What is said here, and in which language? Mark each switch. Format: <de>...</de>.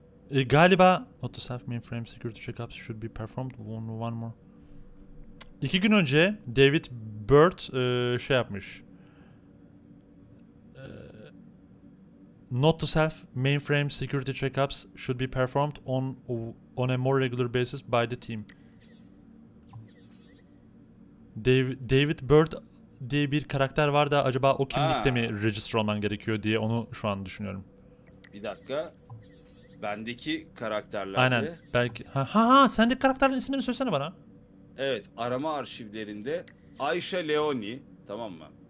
<tr>Galiba</tr> <en>not to self mainframe security checkups should be performed one more.</en> <tr>İki gün önce David Burt şey yapmış.</tr> <en>Not to self mainframe security checkups should be performed on a more regular basis by the team.</en> <tr>David Burt diye bir karakter var da acaba o kimlikte mi register olman gerekiyor diye onu şu an düşünüyorum. Bir dakika. Bendeki karakterlerde... Aynen. Belki... Ha, sendeki karakterlerin isimlerini söylesene bana. Evet. Arama arşivlerinde Ayşe Leoni, tamam mı?</tr>